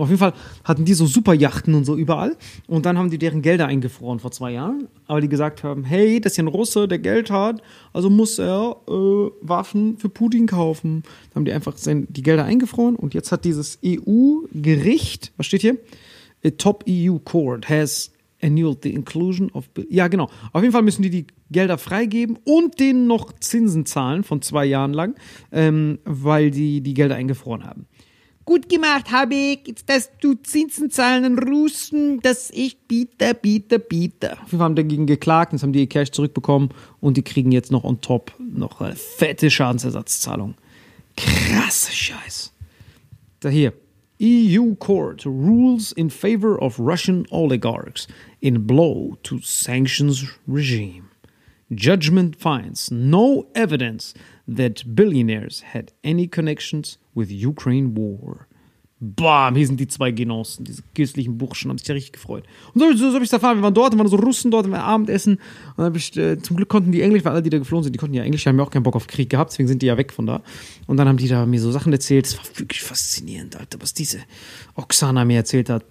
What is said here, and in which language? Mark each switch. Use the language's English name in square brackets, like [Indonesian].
[German] Auf jeden Fall hatten die so Superjachten und so überall und dann haben die deren Gelder eingefroren vor 2 Jahren, aber die gesagt haben, hey, das ist ja ein Russe, der Geld hat, also muss er Waffen für Putin kaufen. Dann haben die einfach die Gelder eingefroren und jetzt hat dieses EU-Gericht, was steht hier? [English] A top EU court has annulled the inclusion of... [German] Ja, genau. Auf jeden Fall müssen die Gelder freigeben und denen noch Zinsen zahlen von 2 Jahren lang, weil die Gelder eingefroren haben. Gut gemacht, Habeck, dass du Zinsen zahlen an Russen, das echt bitter, bitter, bitter. Auf jeden Fall haben dagegen geklagt, jetzt haben die ihr Cash zurückbekommen und die kriegen jetzt noch on top noch eine fette Schadensersatzzahlung. Krasse Scheiß. Da hier. [English] EU court rules in favor of Russian oligarchs in blow to sanctions regime. Judgment finds no evidence that billionaires had any connections with Ukraine war. [German] Bam, hier sind die zwei Genossen, diese christlichen Burschen, haben sich ja richtig gefreut. Und so habe ich es erfahren, wir waren dort, waren so Russen dort, wir Abendessen. Und dann zum Glück konnten die Englisch, weil alle, die da geflohen sind, die konnten ja Englisch, haben ja auch keinen Bock auf Krieg gehabt, deswegen sind die ja weg von da. Und dann haben die da mir so Sachen erzählt, das war wirklich faszinierend, Alter, was diese Oksana mir erzählt hat.